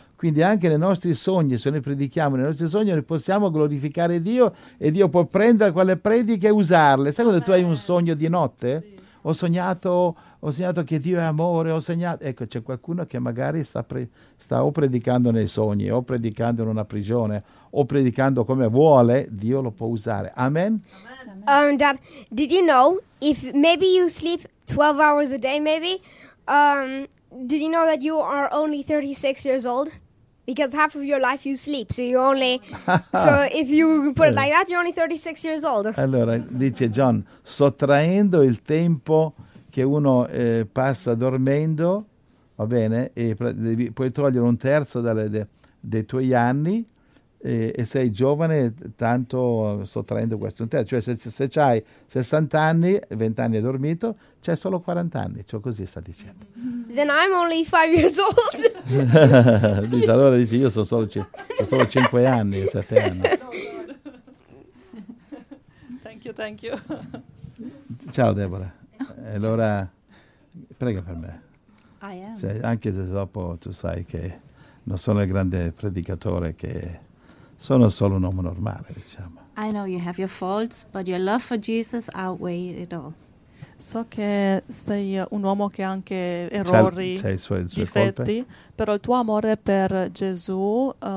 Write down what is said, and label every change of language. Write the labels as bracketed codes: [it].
[it] Quindi anche nei nostri sogni, se noi predichiamo nei nostri sogni, noi possiamo glorificare Dio e Dio può prendere quelle prediche e usarle. Sai quando tu hai un sogno di notte? Sì. Ho sognato che Dio è amore, ecco, c'è qualcuno che magari sta o predicando nei sogni, o predicando in una prigione, o predicando come vuole, Dio lo può usare. Amen. Amen. [en] Dad, did you know if maybe you sleep 12 hours a day maybe? Did you know that you are only 36 years old? Because half of your life you sleep, so you only so if you put it like that, you're only 36 years old. [it] Allora, dice John, sottraendo il tempo che uno passa dormendo, va bene, e puoi togliere un terzo dei tuoi anni e sei giovane tanto sottraendo questo un terzo, cioè se c'hai 60 anni, 20 anni hai dormito, c'hai solo 40 anni, cioè così sta dicendo. [en] Then I'm only 5 years old. [it] Dice, allora dice io sono solo 5 anni, 7 anni. [en] Thank you. [it] Ciao Deborah. Allora prega per me. [en] I am. [it] Cioè, anche se dopo tu sai che non sono il grande predicatore che Sono solo un uomo normale, diciamo. [en] I know you have your faults, but your love for Jesus outweighs it all. [it] So che sei un uomo che ha anche errori, difetti, però il tuo amore per Gesù